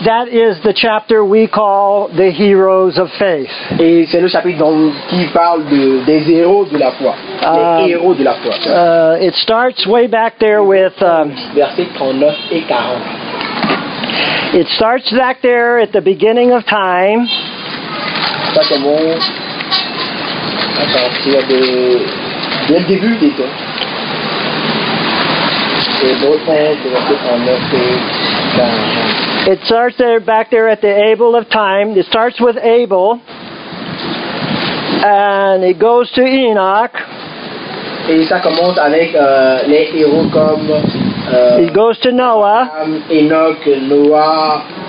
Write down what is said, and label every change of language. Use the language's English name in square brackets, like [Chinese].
[English] That is the chapter we call the heroes of faith. [French] Et c'est le chapitre dont qui parle des héros de la foi. [English] It starts way back there with [French] verset 39 et 40. [English] It starts back there at the beginning of time. [French] Ça commence à partir de le début des temps. [English] It starts there, back there at the Abel of time. It starts with Abel. And it goes to Enoch. [French] Et ça commence avec les héros comme [English] it goes to Noah. Abraham, Enoch, Noah.